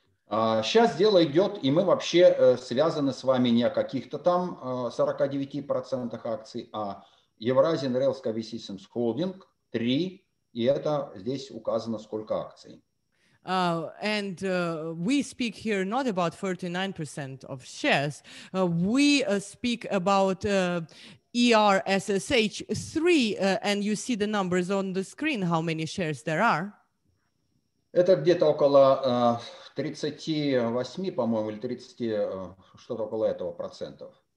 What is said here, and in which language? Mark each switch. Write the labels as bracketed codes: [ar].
[ru] Сейчас дело идет, и мы вообще связаны с вами не о каких-то там 49% акций, а Евразия Нарелска Висисимс Холдинг 3, и это здесь указано, сколько акций. [en] And we speak here not about 49% of shares, we speak about ERSSH 3, and you see the numbers on the screen, how many shares there are. [ru] Это где-то около 38, по-моему, или 30, что-то около этого процентов.